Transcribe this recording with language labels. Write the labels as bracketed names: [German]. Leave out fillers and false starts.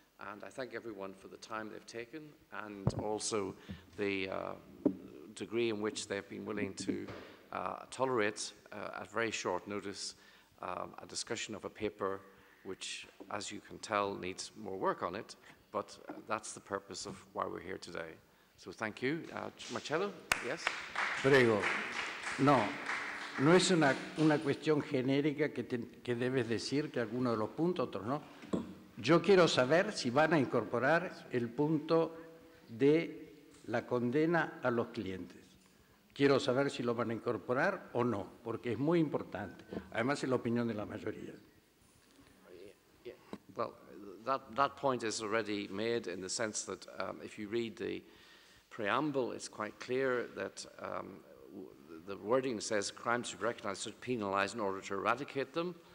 [English] And I thank everyone for the time they've taken and also the degree in which they've been willing to tolerate, at very short notice, a discussion of a paper which, as you can tell, needs more work on it. But that's the purpose of why we're here today. So thank you. Marcello, yes? [Italian] Prego. [Spanish] No. No es una cuestión genérica que debes decir que alguno de los puntos, otros no. Yo quiero saber si van a incorporar el punto de la condena a los clientes. Quiero saber si lo van a incorporar o no, porque es muy importante. Además, es la opinión de la mayoría. [English] Well, that point is already made in the sense that if you read the preamble, it's quite clear that the wording says crimes should be recognized, should be penalized in order to eradicate them.